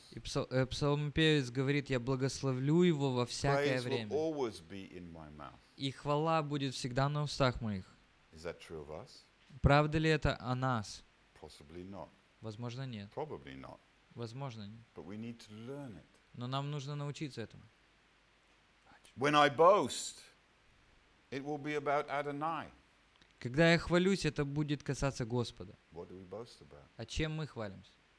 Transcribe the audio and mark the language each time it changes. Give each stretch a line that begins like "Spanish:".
Russian: И псалмопевец говорит, я благословлю Его во всякое время.
English: Praise will always be in my mouth.
Russian: И хвала будет всегда на устах моих.
English: Is that true of us?
Russian: Правда ли это о нас?
English: Possibly not.
Russian: Возможно, нет.
English: Probably not.
Russian: Возможно, нет.
English: But we need to learn it.
Russian: Но нам нужно научиться этому.
English: When I boast, it will be about Adonai.
Russian: Когда я хвалюсь, это будет касаться Господа. А чем мы хвалимся?